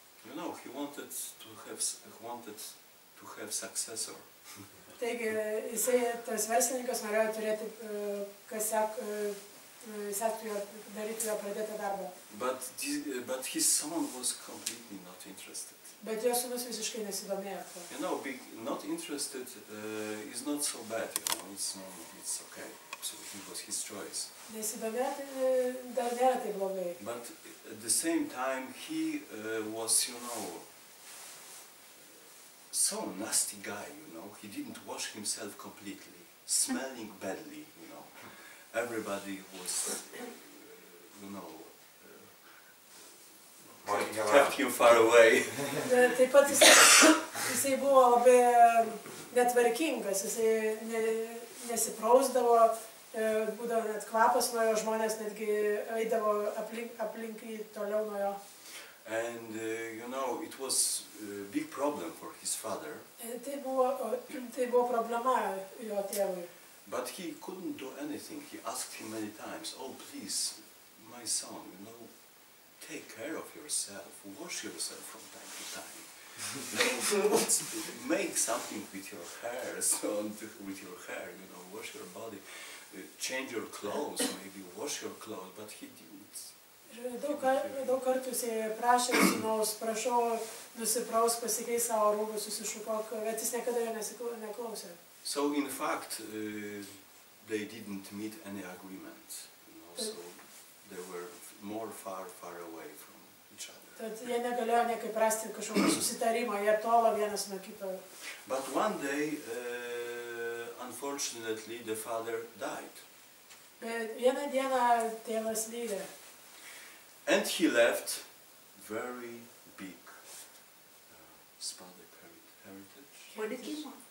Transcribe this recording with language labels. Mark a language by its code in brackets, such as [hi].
[en] You know, he wanted to have successor. [lt] Taigi, jisai tas verslininkas norėjo turėti kas sek jis atėjo daryti jo pradėtą darbą. [en] But his son was completely not interested. [lt] Bet jo sūnus visiškai nesidomėjo. [en] You know, being not interested is not so bad, you know, it's okay. So it was his choice. [lt] Nesidomėti dar nėra taip blogai. [en] But at the same time he was, you know, so nasty guy, you know, he didn't wash himself completely, smelling badly, you know. Everybody was, you know, kept him far away. [lt] Taip pat jisai buvo labai netvarkingas, jisai nesiprausdavo, būdavo net kvapas nuo jo, žmonės netgi eidavo aplink jį toliau nuo jo. [en] And you know, it was a big problem for his father. [lt] Tai buvo problema jo tėvui. [en] But he couldn't do anything. He asked him many times, "Oh, please, my son, you know, take care of yourself, wash yourself from time to time, make something with your hair, so with your hair, you know, wash your body, change your clothes, maybe wash your clothes." But he didn't. [lt] Daug kartų jis prašė sūnaus, prašau, nusipraus, pasikeis savo rūbus, susišukok, bet jis niekada jo neklausė. [en] So in fact, they didn't meet any agreement, you know, so they were more far away from each other. [lt] Tad jie negalėjo niekaip rasti kažkokio susitarimo, jie tolo vienas nuo kito. [en] But one day, unfortunately, the father died. [lt] Bet vieną dieną tėvas mirė. [en] And he left very big spotted heritage.